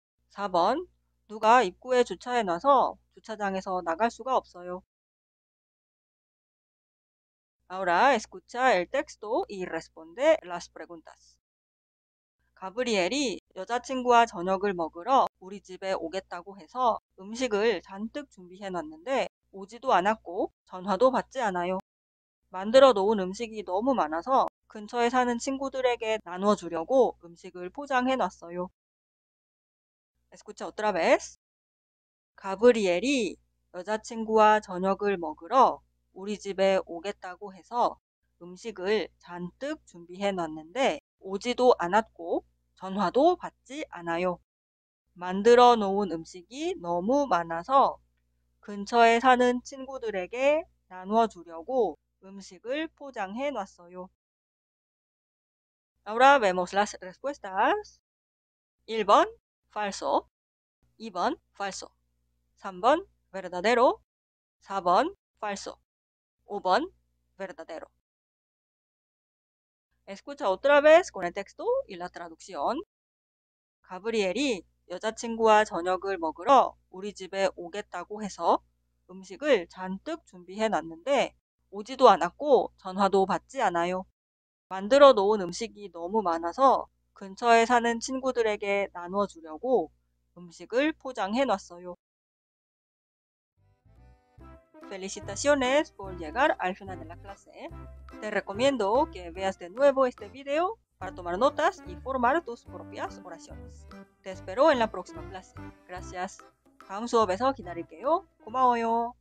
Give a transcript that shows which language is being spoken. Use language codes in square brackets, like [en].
[ko] 4번, 누가 입구에 주차해놔서 주차장에서 나갈 수가 없어요. [es] Ahora escucha el texto y responde las preguntas. [ko] Gabriel이 여자친구와 저녁을 먹으러 우리 집에 오겠다고 해서 음식을 잔뜩 준비해놨는데 오지도 않았고 전화도 받지 않아요. 만들어 놓은 음식이 너무 많아서 근처에 사는 친구들에게 나눠주려고 음식을 포장해놨어요. [es] Escucha otra vez. [ko] Gabriel이 여자친구와 저녁을 먹으러 우리 집에 오겠다고 해서 음식을 잔뜩 준비해 놨는데 오지도 않았고 전화도 받지 않아요. 만들어 놓은 음식이 너무 많아서 근처에 사는 친구들에게 나눠 주려고 음식을 포장해 놨어요. [es] Ahora vemos las respuestas. 1번, falso. 2번, falso. 3번, verdadero. 4번, falso. 5번, verdadero. Escucha otra vez con el texto y la traducción. [ko] Gabriel이 여자친구와 저녁을 먹으러 우리 집에 오겠다고 해서 음식을 잔뜩 준비해 놨는데 오지도 않았고 전화도 받지 않아요. 만들어 놓은 음식이 너무 많아서 근처에 사는 친구들에게 나눠주려고 음식을 포장해 놨어요. [es] Felicitaciones por llegar al final de la clase. Te recomiendo que veas de nuevo este video para tomar notas y formar tus propias oraciones. Te espero en la próxima clase. Gracias. [ko] 다음 수업에서 기다릴게요. 고마워요.